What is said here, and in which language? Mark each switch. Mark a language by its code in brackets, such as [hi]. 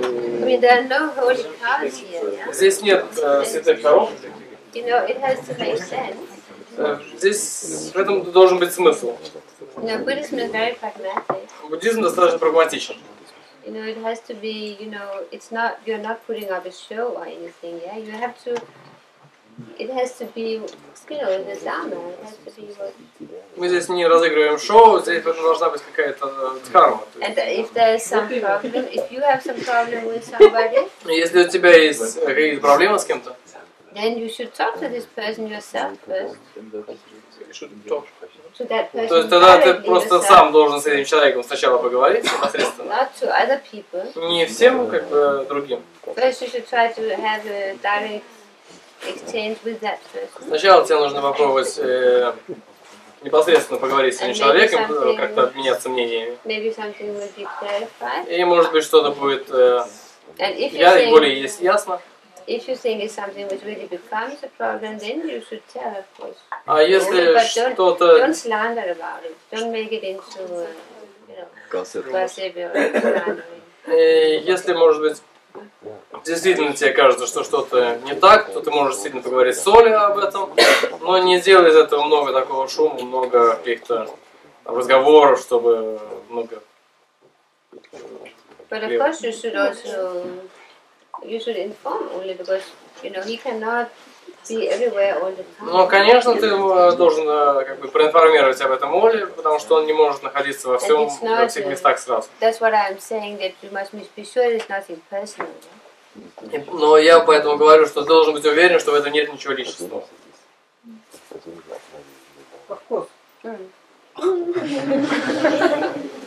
[en] I mean, there are no holy cows here. Yeah. This [ru] нет святых коров. [en] You know, it has to make sense. This [ru] в этом должен быть смысл. [en] No, Buddhism is very pragmatic. [ru] Буддизм достаточно прагматичен. [en] You know, it has to be, you know, it's not, you're not putting up a show or anything, yeah? You have to, it has to be, you know, the dharma, it has to be what... [ru] Мы здесь не разыгрываем шоу, здесь должна быть какая-то дхарма. [en] And if there is some problem, if you have some problem with somebody... [ru] Если у тебя есть какие-то проблемы с кем-то... [en] Then you should talk to this person yourself first. [ru] То есть тогда ты просто сам должен с этим человеком сначала поговорить непосредственно. [en] Not to other people. [ru] Не всем, как бы другим. [en] First you should try to have a direct exchange with that person. [ru] Сначала тебе нужно попробовать непосредственно поговорить с этим человеком, как-то обменяться мнениями. [en] Maybe something will be clarified. [ru] И может быть что-то будет ясно. [en] If you think it's something which really becomes a problem, then you should tell, of course. [ru] Если что-то... [en] Don't slander about it. Don't make it into, you know, gossip or slandering. [ru] Если, может быть... Действительно тебе кажется, что что-то не так, то ты можешь действительно поговорить с Олей об этом, но не сделай из этого много такого шума, много каких-то разговоров, чтобы много... [en] But of course you should also... You should inform Oli, because, you know, he cannot be everywhere all the time. [ru] Ну, конечно, ты должен как бы проинформировать об этом Оле, потому что он не может находиться во всем, во всех местах сразу. [en] That's what I'm saying, that you must be sure it's nothing personal. [ru] Но я поэтому говорю, что ты должен быть уверен, что в этом нет ничего личного. [en] Of course.